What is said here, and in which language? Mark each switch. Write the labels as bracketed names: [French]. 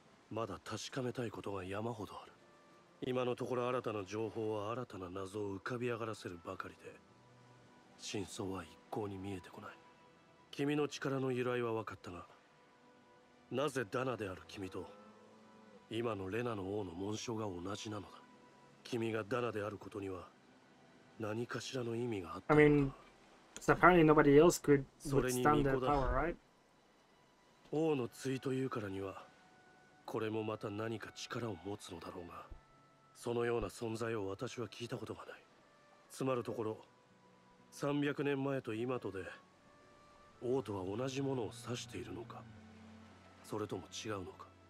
[Japanese] まだ確かめたいことが山ほどある。今のところ新たな情報は新たな謎を浮かび上がらせるばかりで、真相は一向に見えてこない。君の力の由来は分かったが、なぜダナである君と今のレナの王の紋章が同じなのだ。君がダナであることには何かしらの意味があったのか。 [English] I mean, apparently nobody else could withstand their power, right? [Japanese] 王の追というからにはこれもまた何か力を持つのだろうが、そのような存在を私は聞いたことがない。つまるところ、300年前と今とで、王とは同じものを指しているのか、それとも違うのか。